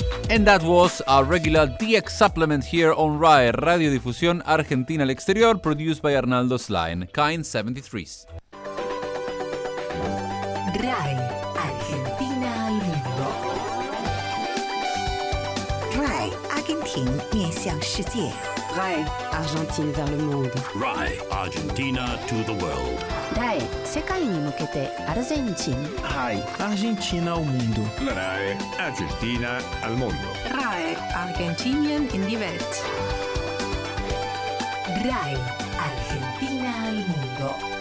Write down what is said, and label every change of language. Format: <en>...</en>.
<en>And that was our regular DX supplement here on RAE, Radio Difusión Argentina al Exterior, produced by Arnaldo Slain, Kind 73.</en> <es>RAE, Argentina al mundo.</es> <zh>RAE, Argentina, 面向世界。</zh> <fr>RAE, Argentina vers le monde.</fr> <en>RAE, Argentina to the world.</en> <ja>RAE, 世界に向けて Argentina.</ja> <es>RAE, Argentina al mundo. RAE, Argentina al mundo.</es> <en>RAE, Argentinian in the world.</en> <es>RAE, Argentina al mundo.</es>